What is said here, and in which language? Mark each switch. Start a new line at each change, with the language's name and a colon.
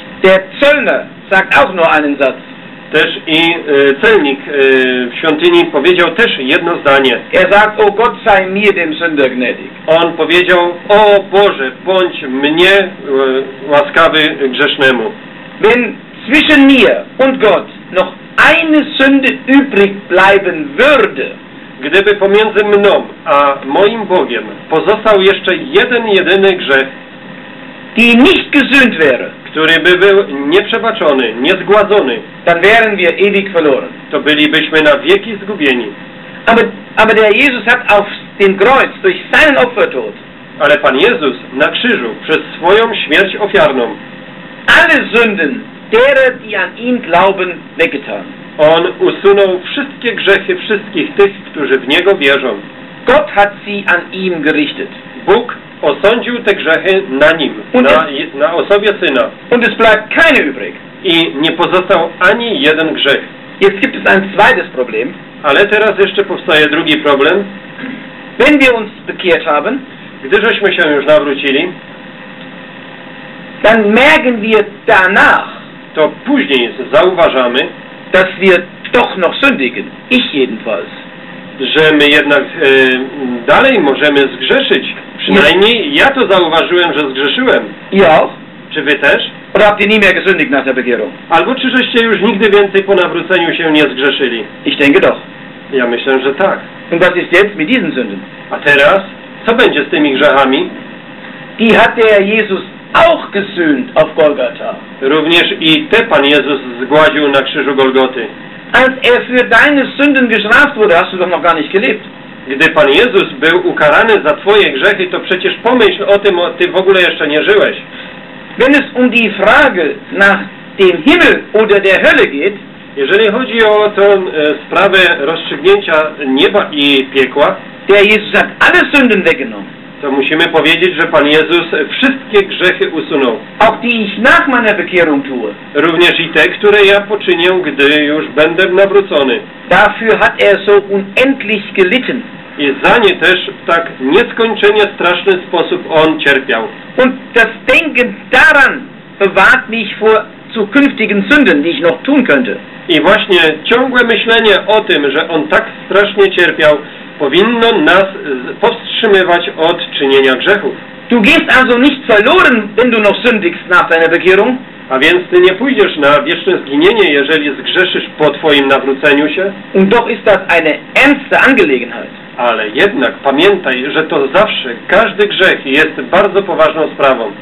German: Der Zöllner sagt auch nur einen Satz.
Polish: Też i celnik w świątyni powiedział też jedno zdanie.
German: Er sagt, o Gott sei mir dem Sünder gnädig.
Polish: On powiedział, o Boże, bądź mnie łaskawy grzesznemu.
German: Wenn zwischen mir und Gott noch eine Sünde übrig bleiben würde,
Polish: gdyby pomiędzy mną a moim Bogiem pozostał jeszcze jeden jedyny grzech,
German: die nicht gesünd wäre,
Polish: który by był nieprzebaczony, niezgładzony,
German: dann wären wir ewig verloren.
Polish: To bylibyśmy na wieki zgubieni.
German: Aber der Jesus hat auf dem Kreuz durch seinen Opfertod,
Polish: ale Pan Jezus na krzyżu przez swoją śmierć ofiarną,
German: alle Sünden derer, die an ihn glauben, weggetan.
Polish: On usunął wszystkie grzechy wszystkich tych, którzy w Niego wierzą.
German: Gott hat sie an ihm gerichtet.
Polish: Bóg osądził te grzechy na nim, na osobie Syna.
German: Und es bleibt keine übrig.
Polish: I nie pozostał ani jeden grzech.
German: Jetzt gibt es ein zweites Problem.
Polish: Ale teraz jeszcze powstaje drugi problem.
German: Wenn wir uns bekehrt haben,
Polish: gdy żeśmy się już nawrócili,
German: dann merken wir danach,
Polish: to później zauważamy,
German: dass wir doch noch sündigen, ich jedenfalls,
Polish: że my jednak dalej możemy zgrzeszyć. Przynajmniej ja to zauważyłem, że zgrzeszyłem. Ja. Czy wy też?
German: Oder habt ihr nie mehr gesündigt nach der Bekehrung?
Polish: Albo czy żeście już nigdy więcej po nawróceniu się nie zgrzeszyli?
German: Ich denke doch.
Polish: Ja myślę, że tak.
German: Und was ist jetzt mit diesen Sünden?
Polish: A teraz, co będzie z tymi grzechami?
German: Die hat der Jesus auch gesühnt auf Golgatha.
Polish: Również i te Pan Jezus zgładził na krzyżu Golgoty.
German: Als er für deine Sünden gestraft wurde, hast du doch noch gar nicht gelebt.
Polish: Gdy Pan Jezus był ukarany za twoje grzechy, to przecież pomyśl o tym, ty w ogóle jeszcze nie żyłeś.
German: Wenn es um die Frage nach dem Himmel oder der Hölle geht,
Polish: jeżeli chodzi o tę sprawę rozstrzygnięcia nieba i piekła,
German: der Jesus hat alle Sünden weggenommen.
Polish: To musimy powiedzieć, że Pan Jezus wszystkie grzechy usunął.
German: Auch die ich nach meiner Bekehrung tue.
Polish: Również i te, które ja poczynię, gdy już będę nawrócony.
German: Dafür hat er so unendlich gelitten.
Polish: I za nie też w tak nieskończenie straszny sposób on cierpiał.
German: Und das Denken daran bewahrt mich vor zukünftigen Sünden, die ich noch tun könnte.
Polish: I właśnie ciągłe myślenie o tym, że on tak strasznie cierpiał, powinno nas powstrzymywać od czynienia grzechów.
German: Du gehst also nicht verloren, wenn du noch sündigst nach deiner Bekehrung.
Polish: A więc ty nie pójdziesz na wieczne zginienie, jeżeli zgrzeszysz po twoim nawróceniu się.
German: Und doch ist das eine ernste Angelegenheit.
Polish: Ale jednak pamiętaj, że to zawsze każdy grzech jest bardzo poważną sprawą.